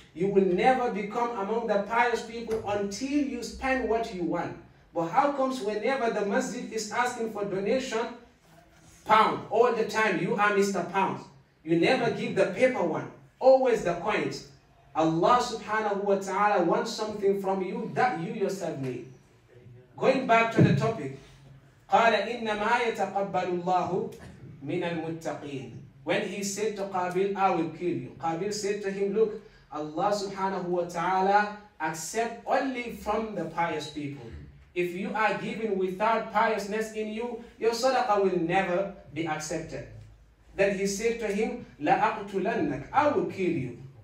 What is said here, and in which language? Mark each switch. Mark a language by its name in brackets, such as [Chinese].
[English] You will never become among the pious people until you spend what you want. But how comes whenever the masjid is asking for donation, pound, all the time, you are Mr. Pound. You never give the paper one, always the coins. Allah subhanahu wa ta'ala wants something from you that you yourself need. Going back to the topic, [Arabic] قَالَ إِنَّمَا يَتَقَبَّلُ اللَّهُ مِنَ الْمُتَّقِينَ. [English] When he said to Qabil, I will kill you, Qabil said to him, look, Allah subhanahu wa ta'ala accept only from the pious people. If you are giving without piousness in you, your sadaqah will never be accepted. Then he said to him, [Arabic] لَأَقْتُلَنَّكَ, [English] I will kill you.